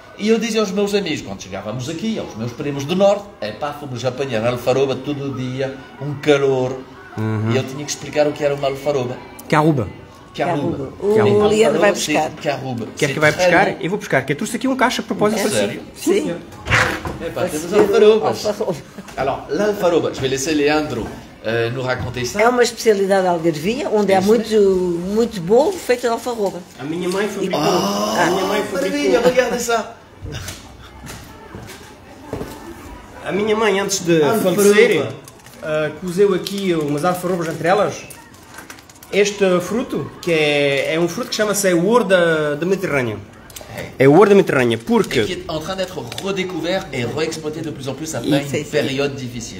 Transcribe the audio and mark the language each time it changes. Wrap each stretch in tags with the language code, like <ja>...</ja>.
<pt>E eu dizia aos meus amigos, quando chegávamos aqui, aos meus primos do norte, epá, fomos apanhar alfarroba todo o dia, um calor. Uhum. E eu tinha que explicar o que era uma alfarroba. Carruba. Carruba. O Leandro vai buscar. Carruba. Quer que vai buscar? Eu vou buscar, que eu trouxe aqui um caixa a propósito para si. Sério? Sim. Epá, temos alfarobas.</pt> <fr>Alors, l'alfarroba, je vais laisser Leandro nous raconter ça.</fr> <pt>É uma especialidade algarvia, onde há muito, muito bolo feito de alfarroba. A minha mãe fabricou. Oh, maravilha, obrigado, essa. A minha mãe, antes de falecer, cozeu aqui umas alfarrobas entre elas. Este fruto, que é um fruto que chama-se o ouro da Mediterrânea. É o ouro da Mediterrânea, porque... E que é em</pt> <fr>train d'être redécouvert e re-exploité de plus en plus après une période difícil.</fr>